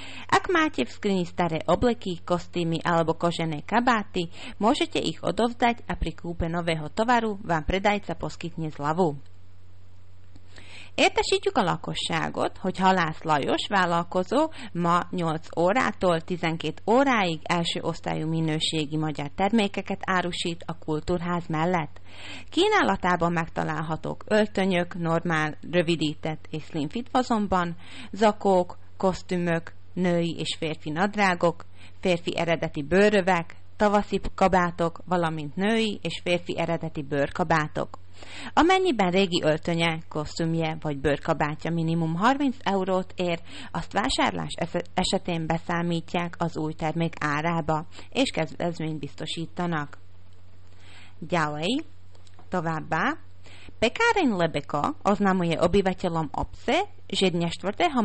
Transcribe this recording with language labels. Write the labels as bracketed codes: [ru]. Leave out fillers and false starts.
[sk] Ak máte v skrini staré obleky, kostýmy alebo kožené kabáty, môžete ich odovzdať a pri kúpe nového tovaru vám predajca poskytne zľavu. [hu] Értesítjük a lakosságot, hogy Halász Lajos vállalkozó ma 8 órától 12 óráig első osztályú minőségi magyar termékeket árusít a kultúrház mellett. Kínálatában megtalálhatók öltönyök, normál, rövidített és slim fit fazonban, zakók, kosztümök, női és férfi nadrágok, férfi eredeti bőrövek, tavaszi kabátok, valamint női és férfi eredeti bőrkabátok. Amennyiben régi öltönye, kosztümje vagy bőrkabátja minimum 30 eurót ér, azt vásárlás esetén beszámítják az új termék árába, és kedvezményt biztosítanak. [sk] Ďalej, [hu] továbbá, [sk] pekáreň Lebeko oznamuje obyvateľom obce, že dňa 4.